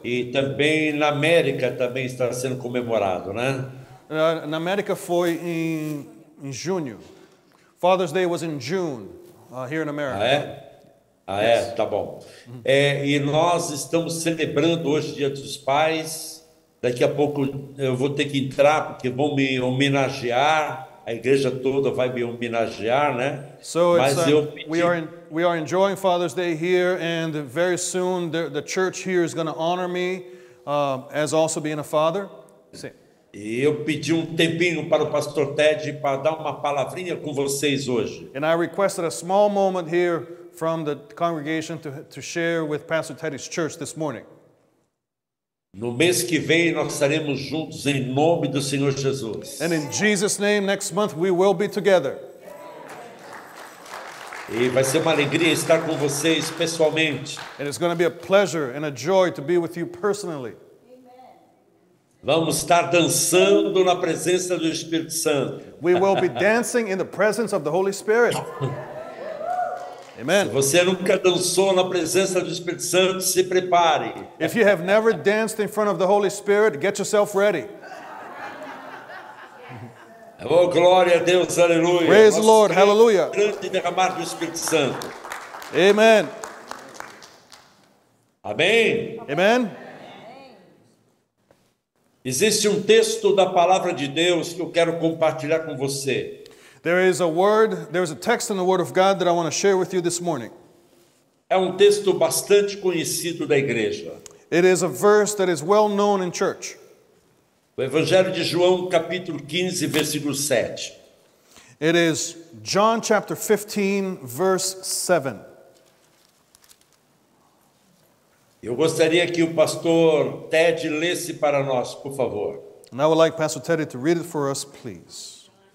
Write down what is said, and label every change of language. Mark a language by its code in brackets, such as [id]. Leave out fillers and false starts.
[pt] E também na América também está sendo comemorado, né? Na América foi em junho. [en] Father's Day was in June here in America. [pt] Ah é? [en] Ah yes. [pt] É, tá bom. É, e nós estamos celebrando hoje Dia dos Pais. Daqui a pouco eu vou ter que entrar porque vão me homenagear. A igreja toda vai me homenagear, né? [en] So we are enjoying Father's Day here, and very soon the church here is going to honor me as also being a father. [pt] Sim. E eu pedi um tempinho para o Pastor Ted para dar uma palavrinha com vocês hoje. [en] And I requested a small moment here from the congregation to share with Pastor Teddy's church this morning. [pt] No mês que vem nós estaremos juntos em nome do Senhor Jesus. [en] And in Jesus' name, next month we will be together. [pt] E vai ser uma alegria estar com vocês pessoalmente. [en] And it's going to be a pleasure and a joy to be with you personally. Amen. [pt] Vamos estar dançando na presença do Espírito Santo. [en] We will be dancing in the presence of the Holy Spirit. Amen. [pt] Se você nunca dançou na presença do Espírito Santo, se prepare. [en] If you have never danced in front of the Holy Spirit, get yourself ready. [pt] Oh, glória a Deus, aleluia. [en] Praise the Lord, hallelujah. [pt] Grande derramar do Espírito Santo. [en] Amen. [pt] Amém. [en] Amen. [pt] Existe um texto da palavra de Deus que eu quero compartilhar com você. [en] There is a text in the Word of God that I want to share with you this morning. [pt] É um texto bastante conhecido da igreja. [en] It is a verse that is well known in church. [pt] O Evangelho de João, capítulo 15, versículo 7. [en] It is John chapter 15, verse 7. [pt] Eu gostaria que o Pastor Ted lesse para nós, por favor. [en] And I would like Pastor Teddy to read it for us, please.